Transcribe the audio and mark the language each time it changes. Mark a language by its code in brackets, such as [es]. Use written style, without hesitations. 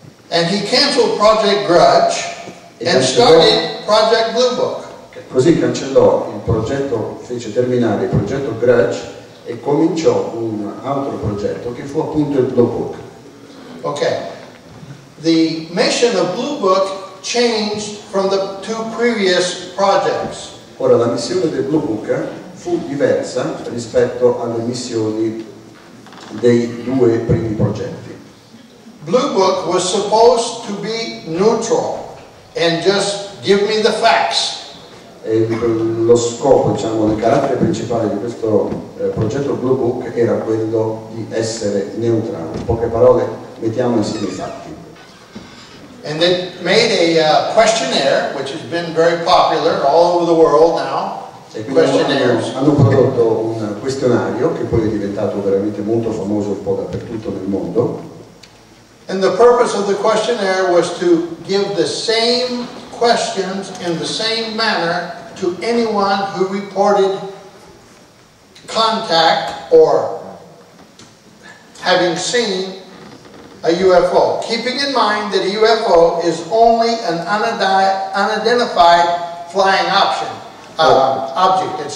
[en] And he canceled Project Grudge and started Project Blue Book. [it] Così cancellò il progetto, fece terminare il progetto Grudge e cominciò un altro progetto che fu appunto il Blue Book. Okay. [en] The mission of Blue Book changed from the two previous projects. [it] Ora la missione del Blue Book fu diversa rispetto alle missioni dei due primi progetti. [en] Blue Book was supposed to be neutral and just give me the facts. [it] E lo scopo, diciamo, il carattere principale di questo progetto Blue Book era quello di essere neutrale. In poche parole, mettiamo insieme i fatti. [en] And they made a questionnaire, which has been very popular all over the world now. [it] E questionnaires. Hanno prodotto un questionario che poi è diventato veramente molto famoso un po' dappertutto nel mondo. [en] And the purpose of the questionnaire was to give the same questions in the same manner to anyone who reported contact or having seen a UFO, keeping in mind that a UFO is only an unidentified flying object.